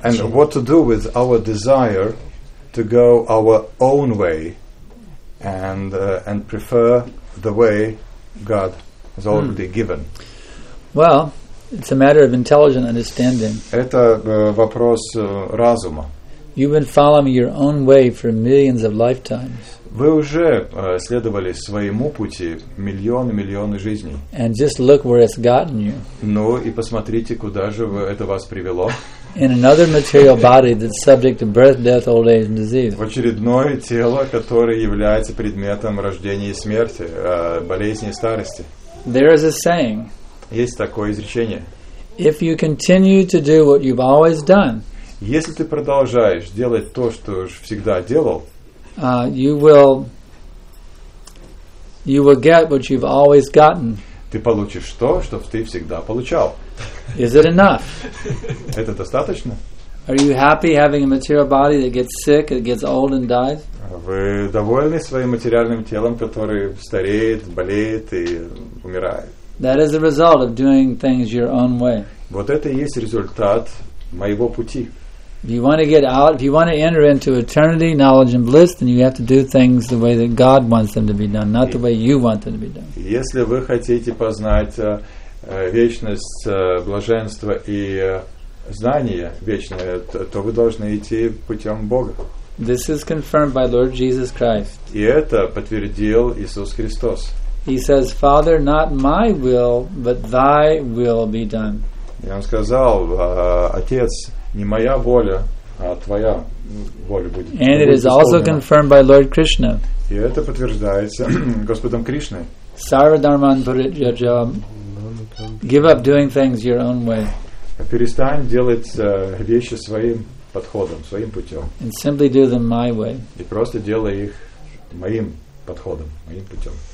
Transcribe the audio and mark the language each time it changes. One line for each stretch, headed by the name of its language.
English: Yeah, and what to do with our desire to go our own way and prefer the way God has already given. Well, it's a matter of intelligent understanding.
Russian: Это вопрос разума.
English: You've been following your own way for millions of lifetimes.
Russian: Вы уже следовали своему пути миллионы жизней.
English: And just look where it's gotten you.
Russian: Ну и посмотрите, куда же это вас привело.
English: In another material body that's subject to birth, death, old age, and disease.
Russian: В очередное тело, которое является предметом рождения и смерти, болезни и старости.
English: There is a saying.
Russian: Есть такое изречение.
English: If you continue to do what you've always done.
Russian: Если ты продолжаешь делать то, что уж всегда делал,
English: you will get what you've always gotten.
Russian: Ты получишь то, что ты всегда получал.
English: Is it enough?
Russian: Это достаточно?
English: Are you happy having a material body that gets sick, that gets old and dies?
Russian: Вы довольны своим материальным телом, которое стареет, болеет и умирает?
English: That is the result of doing things your own way.
Russian: Вот это и есть результат моего пути.
English: If you want to get out, if you want to enter into eternity, knowledge, and bliss, then you have to do things the way that God wants them to be done, not the way you want them to be done.
Russian: Если вы хотите познать вечность, блаженство и знание вечное, то вы должны идти путем Бога.
English: This is confirmed by Lord Jesus Christ.
Russian: И это подтвердил Иисус Христос.
English: He says, "Father, not my will, but Thy will be done."
Russian: Я вам сказал, отец. Не моя воля, а твоя воля будет.
English: And it is also confirmed by Lord Krishna.
Russian: И это подтверждается Господом Кришной.
English: Sarvadharman Parityaja. Give up doing things your own way.
Russian: Перестань делать вещи своим подходом, своим путем.
English: And simply do them my way.
Russian: И просто делай их моим подходом, моим путем.